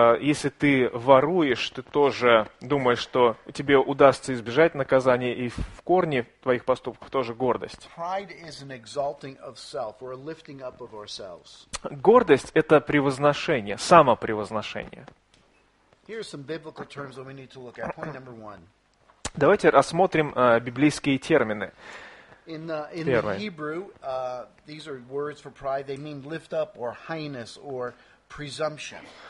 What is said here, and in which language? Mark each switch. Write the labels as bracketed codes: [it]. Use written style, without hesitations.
[ru] если ты воруешь, ты тоже думаешь, что тебе удастся избежать наказания, и в корне твоих поступков тоже гордость. [en] Pride is an exalting of self, or a lifting up of ourselves. [ru] Гордость – это превозношение, самопревозношение. [en] Here are some biblical terms that we need to look at. Point number one. [ru] Давайте рассмотрим библейские термины. [en] In the Hebrew, these are words for pride. They mean lift up or highness or presumption.